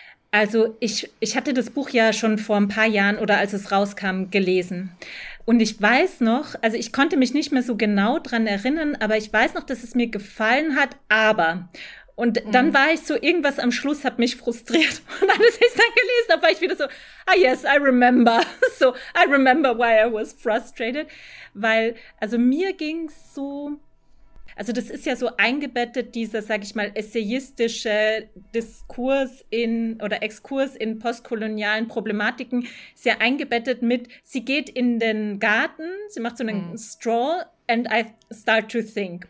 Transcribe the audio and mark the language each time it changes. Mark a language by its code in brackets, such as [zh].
[de] Also ich hatte das Buch ja schon vor ein paar Jahren oder als es rauskam gelesen. Und ich weiß noch, also ich konnte mich nicht mehr so genau dran erinnern, aber ich weiß noch, dass es mir gefallen hat, aber. Und dann war ich so, irgendwas am Schluss hat mich frustriert. Und dann, als ich es dann gelesen habe, war ich wieder so, [en] ah yes, I remember. So, I remember why I was frustrated. [de] Weil, also mir ging es so, also das ist ja so eingebettet, dieser, sag ich mal, essayistische Diskurs in oder Exkurs in postkolonialen Problematiken, ist ja eingebettet mit, sie geht in den Garten, sie macht so einen Stroll [en] and I start to think.